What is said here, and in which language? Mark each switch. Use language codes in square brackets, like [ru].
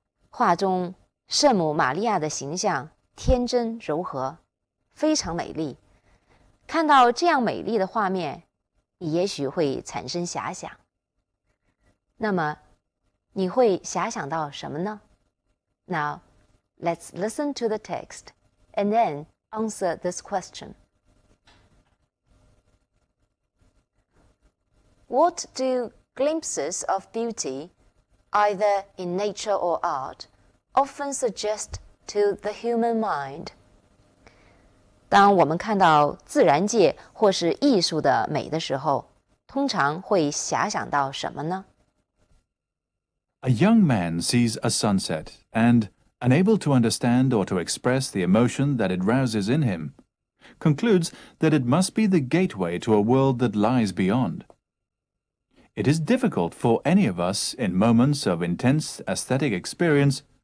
[zh] 画中圣母玛利亚的形象天真柔和，非常美丽。看到这样美丽的画面，你也许会产生遐想。那么，你会遐想到什么呢？ [en] Now, let's listen to the text and then answer this question. What do glimpses of beauty, either in nature or art, often suggest? To the human mind. [zh] 当我们看到自然界或是艺术的美的时候，通常会遐想到什么呢？ [en] A young man sees a sunset and, unable to understand or to express the emotion that it rouses in him, concludes that it must be the gateway to a world that lies beyond. It is difficult for any of us in moments of intense aesthetic experience.